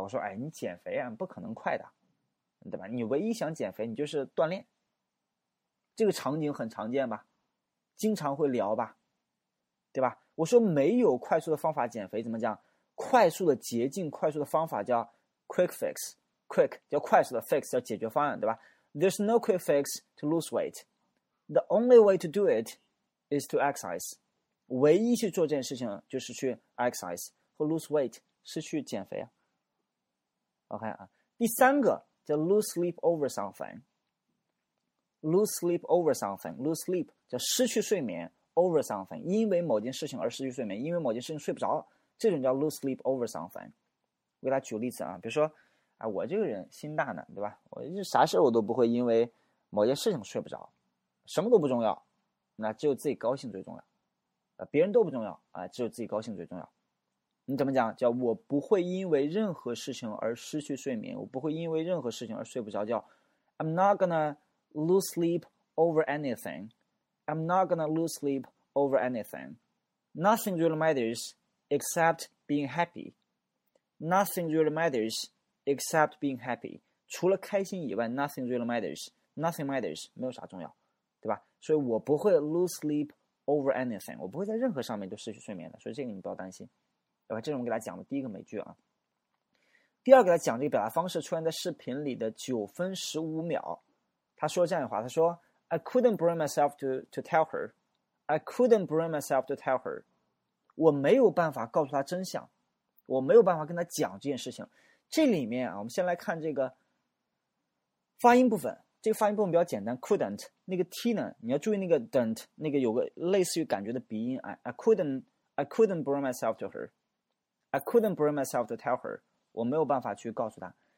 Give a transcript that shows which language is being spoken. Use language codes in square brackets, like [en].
[zh] 我说，哎，你减肥啊不可能快的，对吧？你唯一想减肥你就是锻炼，这个场景很常见吧，经常会聊吧，对吧？我说没有快速的方法减肥，怎么讲？快速的捷径，快速的方法叫 [en] quick fix。 [zh] Quick 叫快速的 fix 叫解决方案，对吧？ [en] There's no quick fix to lose weight. The only way to do it is to exercise. [zh] 唯一去做这件事情就是去 exercise 或 lose weight 是去减肥啊。 [en] OK [zh] 啊，第三个叫 [en] lose sleep over something. Lose sleep over something. [zh] Lose sleep 叫失去睡眠 over something， 因为某件事情而失去睡眠，因为某件事情睡不着，这种叫 [en] lose sleep over something。 [zh] 我给大家举个例子啊，比如说。啊，我这个人心大呢，对吧？我就啥事我都不会因为某件事情睡不着，什么都不重要，那只有自己高兴最重要，别人都不重要啊，只有自己高兴最重要。你怎么讲？叫我不会因为任何事情而失去睡眠，我不会因为任何事情而睡不着，叫 [en] I'm not gonna lose sleep over anything. I'm not gonna lose sleep over anything. Nothing really matters except being happy. Nothing really matters except being happy. [zh] 除了开心以外 [en] ,nothing really matters. Nothing matters, 没有啥重要。 [zh] 对吧，所以我不会 [en] lose sleep over anything, [zh] 我不会在任何上面都失去睡眠的，所以这个你不要担心。 OK, 这是我们给他讲的第一个美句啊。第二给他讲这个表达方式出现在视频里的9分15秒。他说这样的话，他说 [en] I couldn't bring myself to tell her. I couldn't bring myself to tell her. [zh] 我没有办法告诉他真相。我没有办法跟他讲这件事情。这里面啊，我们先来看这个发音部分。这个发音部分比较简单 [en] ,couldn't, 那个 t 呢， [zh] 你要注意那个 [en] don't, [zh] 那个有个类似于感觉的鼻音 [en] ,I couldn't bring myself to her, I couldn't bring myself to tell her, [zh] 我没有办法去告诉她。